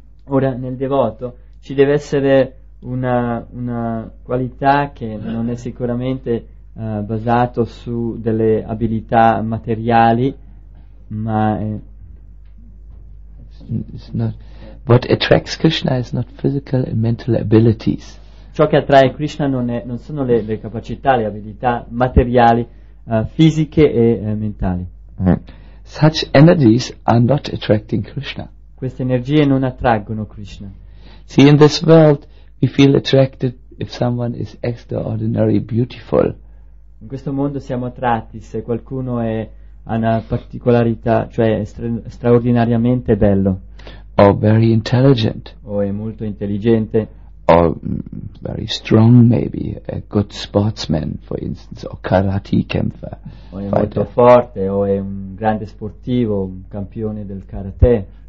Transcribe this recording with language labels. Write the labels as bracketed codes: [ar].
[it] Ora nel devoto ci deve essere una qualità che non è sicuramente basato su delle abilità materiali, ma [en] it's not what attracts Krishna is not physical and mental abilities. [it] Ciò che attrae Krishna non sono le capacità, le abilità materiali, fisiche e mentali. [en] Such energies are not attracting Krishna. [it] Queste energie non attraggono Krishna. [en] See, in this world we feel attracted if someone is extraordinary beautiful. [it] In questo mondo siamo attratti se qualcuno è ha una particolarità, cioè straordinariamente bello. [en] Or very intelligent. [it] O è molto intelligente. [en] Or very strong, maybe a good sportsman, for instance, or karate kämpfer. [it] O è molto forte, o è un grande sportivo, un campione del karate.